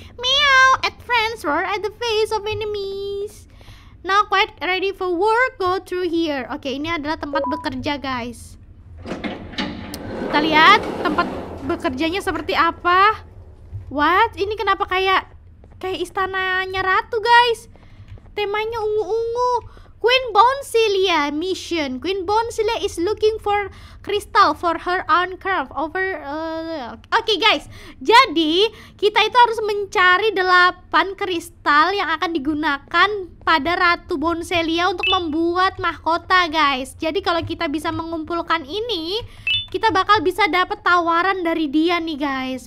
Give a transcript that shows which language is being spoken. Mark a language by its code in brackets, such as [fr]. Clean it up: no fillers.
[en] Meow at friends or at the face of enemies. Now quite ready for work, go through here. [id] Oke, ini adalah tempat bekerja, guys. Kita lihat tempat bekerjanya seperti apa. What? Ini kenapa kayak istananya ratu, guys? Temanya ungu-ungu. Queen Bonsilia mission. [en] Queen Bonsilia is looking for crystal for her own craft over... [id] Oke, guys. Jadi, kita itu harus mencari 8 kristal yang akan digunakan pada Ratu Bonsilia untuk membuat mahkota, guys. Jadi, kalau kita bisa mengumpulkan ini, kita bakal bisa dapat tawaran dari dia nih, guys.